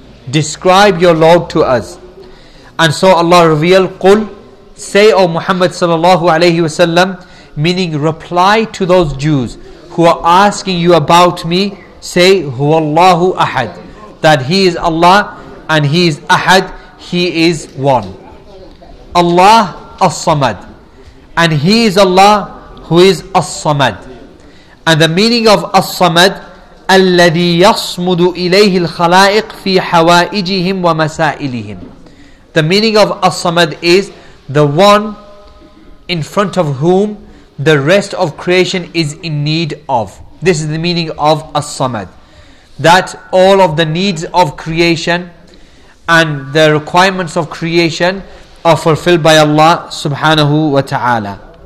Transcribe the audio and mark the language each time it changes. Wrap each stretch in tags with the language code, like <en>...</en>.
<en>Describe your Lord to us. And so Allah revealed, قُلْ, say, O Muhammad sallallahu alayhi wasallam, meaning reply to those Jews who are asking you about me, say,</en> <ar>هُوَ اللَّهُ أَحَد,</ar> <en>that He is Allah and He is Ahad, He is one. Allah As-Samad, and He is Allah who is As-Samad. And the meaning of As-Samad,</en> <ar>الَّذِي يَصْمُدُ إِلَيْهِ الْخَلَائِقْ فِي حَوَائِجِهِمْ وَمَسَائِلِهِمْ.</ar> <en>The meaning of As-Samad is the one in front of whom the rest of creation is in need of. This is the meaning of As-Samad. That all of the needs of creation and the requirements of creation are fulfilled by Allah subhanahu wa ta'ala.</en>